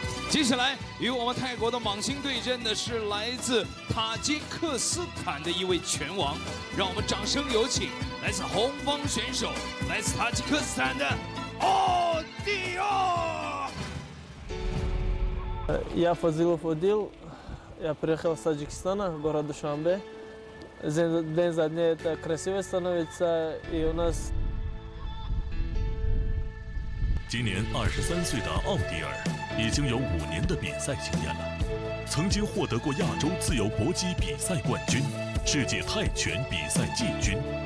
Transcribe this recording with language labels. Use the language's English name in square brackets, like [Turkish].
[Chinese] 接下来与我们泰国的芒星对阵的是来自塔吉克斯坦的一位拳王，让我们掌声有请来自红方选手，来自塔吉克斯坦的奥迪奥。 [Russian] Я Фазилов Одил, я приехал из Таджикистана, город Душанбе. День за днем это красивее становится, и у нас. [Chinese] 今年23岁的奥迪尔。已经有5年的比赛经验了，曾经获得过亚洲自由搏击比赛冠军、世界泰拳比赛季军。